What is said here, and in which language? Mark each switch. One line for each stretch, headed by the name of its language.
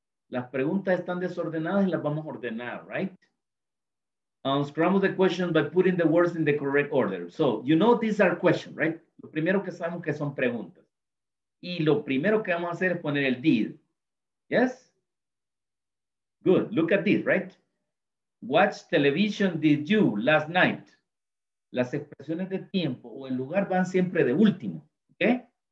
Spanish: Las preguntas están desordenadas y las vamos a ordenar, right?
English: Unscramble the questions by putting the words in the correct order. So, you know these are questions, right?
Spanish: Lo primero que sabemos que son preguntas. Y lo primero que vamos a hacer es poner el did.
English: Yes? Good. Look at this, right? Watch television did you last night?
Spanish: Las expresiones de tiempo o el lugar van siempre de último, ¿ok?